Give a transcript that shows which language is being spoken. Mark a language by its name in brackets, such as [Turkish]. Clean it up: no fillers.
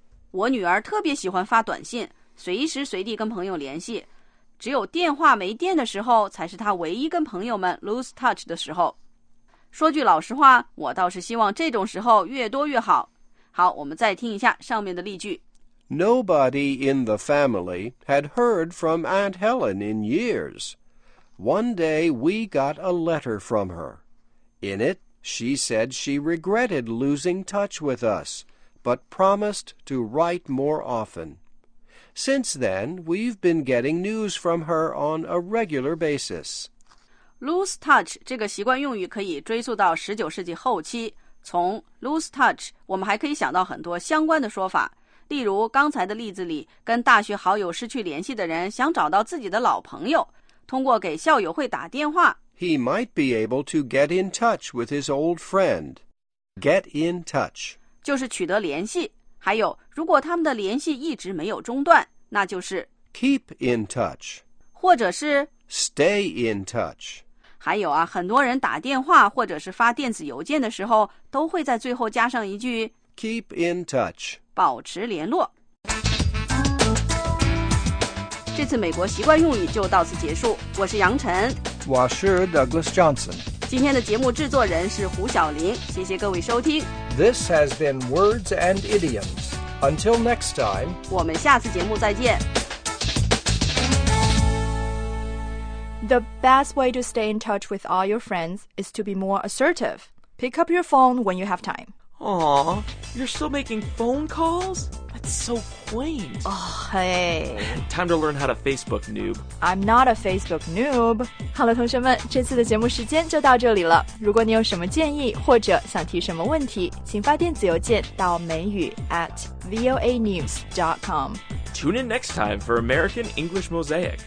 [Chinese] 我女儿特别喜欢发短信，随时随地跟朋友联系，只有电话没电的时候才是她唯一跟朋友们 [English] lose touch [Chinese] 的时候。说句老实话，我倒是希望这种时候越多越好。好，我们再听一下上面的例句。 [English] Nobody in the family had heard from Aunt Helen in years. One day we got a letter from her. In it, she said she regretted losing touch with us, but promised to write more often. Since then, we've been getting news from her on a regular basis. Lose touch [Chinese] 这个习惯用语可以追溯到十九世纪后期。从 [English] lose touch, [Chinese] 我们还可以想到很多相关的说法。例如刚才的例子里，跟大学好友失去联系的人想找到自己的老朋友，通过给校友会打电话。 [English] He might be able to get in touch with his old friend. Get in touch. [Chinese] 就是取得联系。还有，如果他们的联系一直没有中断，那就是 [English] Keep in touch. [Chinese] 或者是 [English] Stay in touch. [Chinese] 还有啊，很多人打电话或者是发电子邮件的时候，都会在最后加上一句 [English] Keep in touch. [Chinese] 保持联络。这次美国习惯用语就到此结束，我是杨晨，我是 Douglas Johnson。今天的节目制作人是胡晓玲，谢谢各位收听。 [English] This has been Words and Idioms. Until next time. [Chinese] 我们下次节目再见。 [English] The best way to stay in touch with all your friends is to be more assertive. Pick up your phone when you have time. Aww, you're still making phone calls? That's so quaint. Oh, hey. Time to learn how to Facebook noob. I'm not a Facebook noob. [Chinese] 好了，同学们，这次的节目时间就到这里了。如果你有什么建议或者想提什么问题，请发电子邮件到美语@voanews.com. [English] Tune in next time for American English Mosaic.